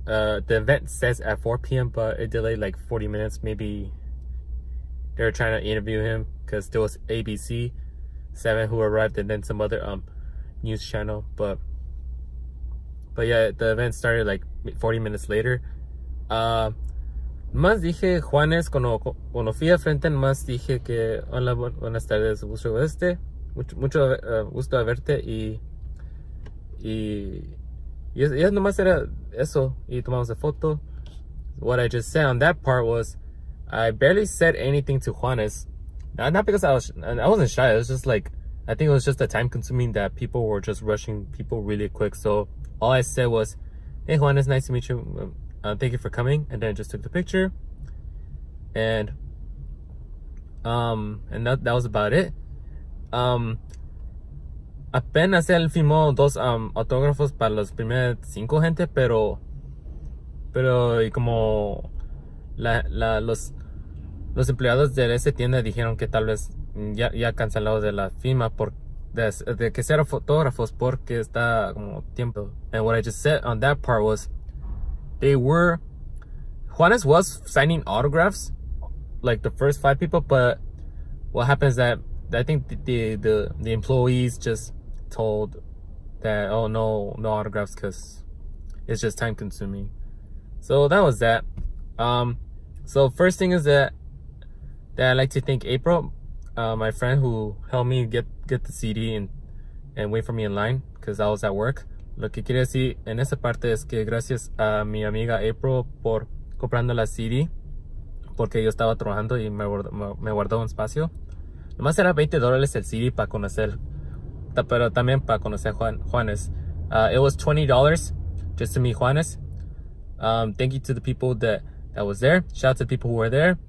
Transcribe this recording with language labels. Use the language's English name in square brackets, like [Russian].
[English] The event says at 4 p.m., but it delayed like 40 minutes. Maybe they were trying to interview him because there was ABC 7 who arrived and then some other news channel. But yeah, the event started like 40 minutes later. [Spanish] Más dije Juanes cuando fui a frente, más dije que hola, buenas tardes, gusto verte, mucho gusto verte, y es nomás era eso, y tomamos la foto. [English] What I just said on that part was, I barely said anything to Juanes, not because I wasn't shy, it was just like, I think it was just the time consuming that people were just rushing people really quick, so all I said was, hey Juanes, nice to meet you. Thank you for coming, and then I just took the picture, and that was about it. [Spanish] Apenas él firmó dos autógrafos para los primeros cinco gente, pero y como los empleados de esa tienda dijeron que tal vez ya cancelado de la firma de que sea fotógrafos porque está como tiempo. [English] And what I just said on that part was, Juanes was signing autographs, like the first five people, but what happens is that I think the employees just told that, oh, no autographs because it's just time consuming. So that was that. So first thing is that I'd like to thank April, my friend who helped me get the CD and wait for me in line because I was at work. [Spanish] Lo que quiere decir en esa parte es que gracias a mi amiga April por comprando la CD, porque yo estaba trabajando y me guardó un espacio. Nomás era $20 el CD para conocer, pero también para conocer Juanes. [English] It was $20 just to meet Juanes. Thank you to the people that was there. Shout out to the people who were there.